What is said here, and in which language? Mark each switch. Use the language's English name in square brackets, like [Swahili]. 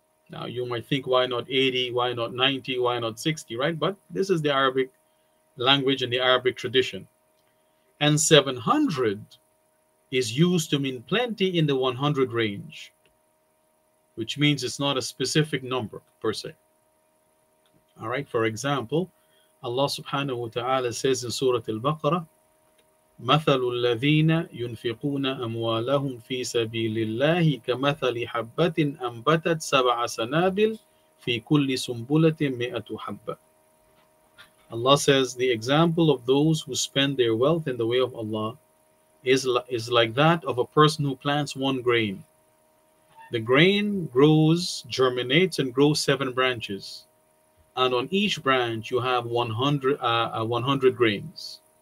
[English] Now you might think, why not 80, why not 90, why not 60, right? But this is the Arabic language and the Arabic tradition. And 700 is used to mean plenty in the 100 range, which means it's not a specific number per se. All right, for example, Allah subhanahu wa ta'ala says in Surah Al-Baqarah, [Arabic] مثل الذين ينفقون أموالهم في سبيل الله كمثل حبة أنبتت سبع سنابل في كل سنبلة مئة حبة. [English] Allah says, the example of those who spend their wealth in the way of Allah is like that of a person who plants one grain. The grain grows, germinates, and grows 7 branches. And on each branch you have 100 grains.